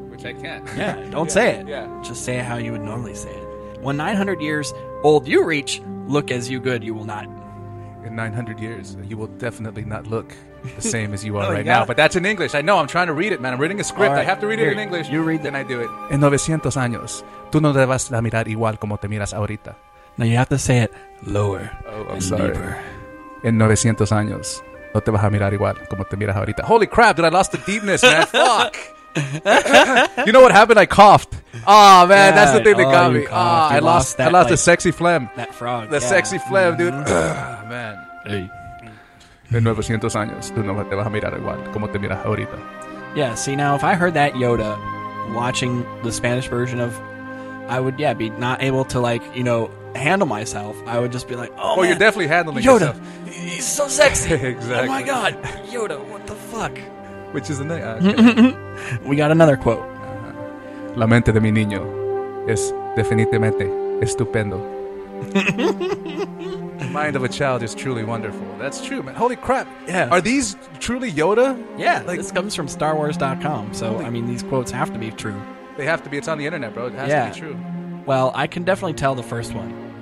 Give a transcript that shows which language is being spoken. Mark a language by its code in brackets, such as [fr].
[en] Which I can't. Yeah, don't say it. Yeah. Just say it how you would normally say it. When 900 years old you reach, look as you good you will not. In 900 years, you will definitely not look the same as you are right now. But that's in English. I know, I'm trying to read it, man. I'm reading a script. Right. I have to read here, it in English. You read then I do it. [es] En 900 años, tú no debas la mirar igual como te miras ahorita. [en] Now you have to say it lower. Oh, I'm sorry. Deeper. [es] En 900 años, no te vas a mirar igual como te miras ahorita. [en] Holy crap, dude, I lost the deepness, man. Fuck. You know what happened? I coughed. Oh, man, yeah, that's the thing that got me. Coughed. Oh, I lost that, I lost like, the sexy phlegm. That frog. The yeah. sexy phlegm, mm-hmm. dude. Man. Hey. [es] En 900 años, tú no te vas a mirar igual como te miras ahorita. [en] Yeah, see, now if I heard that Yoda watching the Spanish version of, I would, yeah, be not able to, like, you know, handle myself. I would just be like, oh, well, you're definitely handling Yoda, yourself. He's so sexy. Exactly. Oh, my God. Yoda, what the fuck? Which is the name? Okay. We got another quote. [es] La mente de mi niño es definitivamente estupendo. [en] The mind of a child is truly wonderful. That's true, man. Holy crap. Yeah. Are these truly Yoda? Yeah. Like, this comes from StarWars.com. So, I mean, these quotes have to be true. They have to be. It's on the internet, bro. It has yeah. to be true. Well, I can definitely tell the first one.